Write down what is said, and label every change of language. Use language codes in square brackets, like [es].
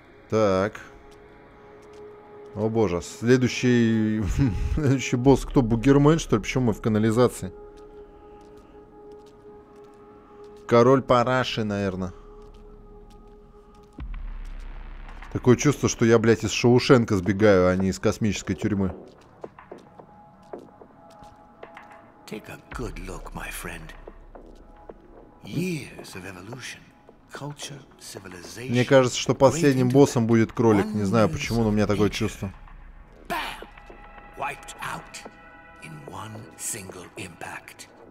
[ru] Так. О боже. Следующий босс. Кто, Бугермен, что ли? Почему мы в канализации? Король Параши, наверное. Такое чувство, что я, блядь, из Шоушенка сбегаю, а не из космической тюрьмы. [en] Take a good look, my friend. Years of evolution, culture, civilization. [ru] Мне кажется, что последним боссом будет кролик. Не знаю почему, но у меня такое чувство. [en] Wiped out in one single impact.